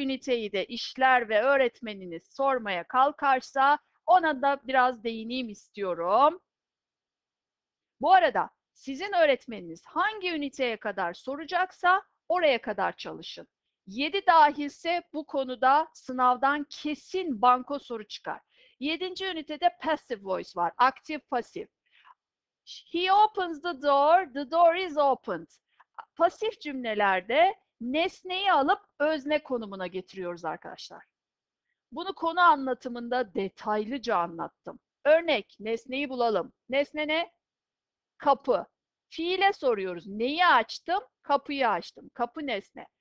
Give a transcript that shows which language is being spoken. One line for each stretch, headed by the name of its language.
Turkish: üniteyi de işler ve öğretmeniniz sormaya kalkarsa ona da biraz değineyim istiyorum. Bu arada sizin öğretmeniniz hangi üniteye kadar soracaksa oraya kadar çalışın. 7 dahilse bu konuda sınavdan kesin banko soru çıkar. 7. ünitede passive voice var. Aktif pasif.
English: He opens the door, the door is opened.
Turkish: Pasif cümlelerde nesneyi alıp özne konumuna getiriyoruz arkadaşlar. Bunu konu anlatımında detaylıca anlattım. Örnek, nesneyi bulalım. Nesne ne? Kapı. Fiile soruyoruz. Neyi açtım? Kapıyı açtım. Kapı nesne.